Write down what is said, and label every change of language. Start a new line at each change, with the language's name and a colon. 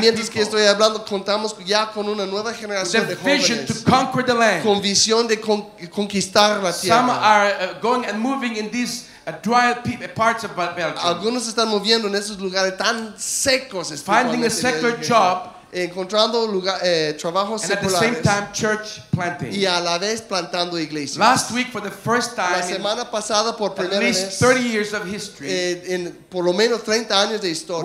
Spanish: y mientras
English: people.
Spanish: Que estoy hablando, contamos ya con una nueva generación.
English: The vision to conquer the land.
Spanish: Con visión de conquistar la tierra.
English: Some are going and moving in these dry parts of Belgium.
Spanish: Algunos están moviendo en esos lugares tan secos.
English: Finding a secular job.
Spanish: Encontrando lugar, trabajos
English: and
Spanish: seculares.
English: And at the same time, church planting.
Spanish: Y a la vez plantando iglesias.
English: Last week, for the first time.
Spanish: La semana pasada por primera vez.
English: At least 30 years of history.
Spanish: En por lo menos 30 años de historia.